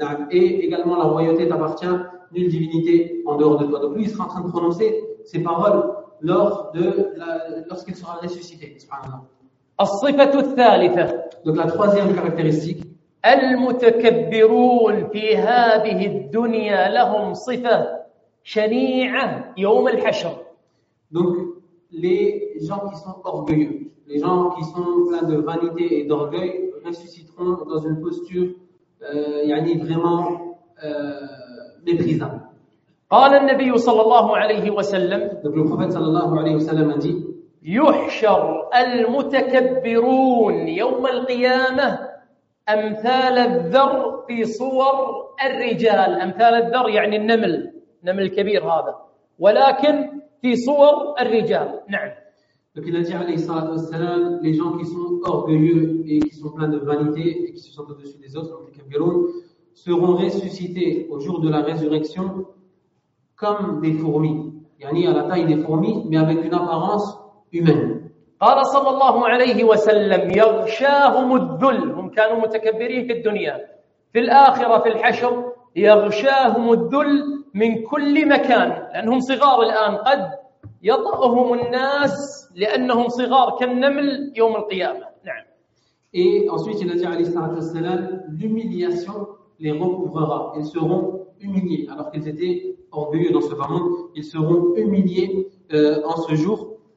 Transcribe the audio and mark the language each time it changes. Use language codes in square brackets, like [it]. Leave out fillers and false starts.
[fr] Et également la royauté t'appartient, nulle divinité en dehors de toi. Donc lui il sera en train de prononcer ses paroles lorsqu'il sera ressuscité. [ar] الصفة الثالثة. [fr] Donc la troisième caractéristique. [ar] المتكبرون في هذه الدنيا لهم صفة شنيعة يوم الحشر. [fr] Donc les gens qui sont orgueilleux, les gens qui sont pleins de vanité et d'orgueil ressusciteront dans une posture [ar] يعني [fr] vraiment méprisable. [ar] قال النبي صلى الله عليه وسلم. [fr] Donc le prophète [ar] صلى الله عليه وسلم [fr] a dit. [ar] يحشر المتكبرون يوم القيامة أمثال الذر في صور الرجال أمثال الذر يعني النمل النمل الكبير هذا ولكن في صور الرجال. نعم. [fr] Donc il a dit [ar] عليه الصلاة والسلام [fr] les gens qui sont orgueilleux et qui sont pleins de vanité et qui se sentent au-dessus des autres les كبرون, seront ressuscités au jour de la résurrection comme des fourmis [ar] يعني [fr] à la taille des fourmis mais avec une apparence humaine. [ar] قال صلى الله عليه وسلم يغشاهم الذل هم كانوا متكبرين في الدنيا في الآخرة في الحشر يغشاهم الذل من كل مكان لأنهم صغار الآن قد يطأهم الناس لأنهم صغار كالنمل يوم القيامة. نعم. [fr] Et ensuite il a dit [ar] عليه الصلاة والسلام [fr] l'humiliation les recouvrera. Ils seront humiliés alors qu'ils étaient orgueilleux dans ce monde. Ils seront humiliés en ce jour.